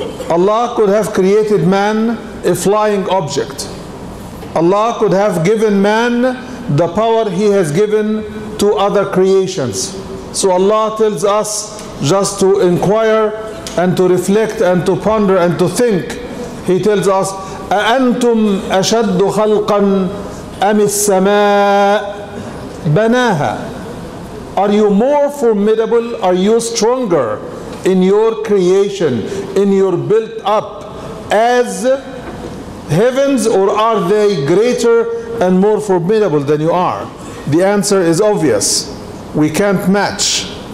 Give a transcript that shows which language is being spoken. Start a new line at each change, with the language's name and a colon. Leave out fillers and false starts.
English: Allah could have created man a flying object. Allah could have given man the power He has given to other creations. So Allah tells us just to inquire and to reflect and to ponder and to think. He tells us,
Arabic: أَأَنْتُمْ أَشَدُّ خَلْقًا أَمِ السَّمَاءِ بَنَاهَا.
English: Are you more formidable? Are you stronger in your creation, in your built up, as heavens, or are they greater and more formidable than you are? The answer is obvious. We can't match.